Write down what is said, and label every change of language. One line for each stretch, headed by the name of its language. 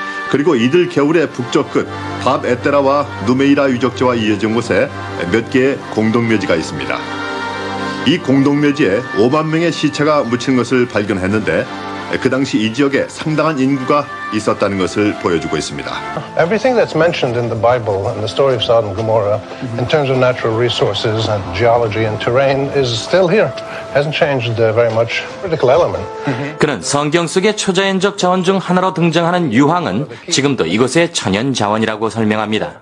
Korean: 그리고 이들 개울의 북쪽 끝, 밥 에테라와 누메이라 유적지와 이어진 곳에 몇 개의 공동묘지가 있습니다. 이 공동묘지에 5만 명의 시체가 묻힌 것을 발견했는데 그 당시 이 지역에 상당한 인구가 있었다는 것을 보여주고 있습니다.
English: Everything that's mentioned in the Bible and the story of Sodom and Gomorrah in terms of natural resources and geology and terrain is still here. Hasn't changed very much. Critical element.
Korean: 그는 성경 속의 초자연적 자원 중 하나로 등장하는 유황은 지금도 이곳의 천연 자원이라고 설명합니다.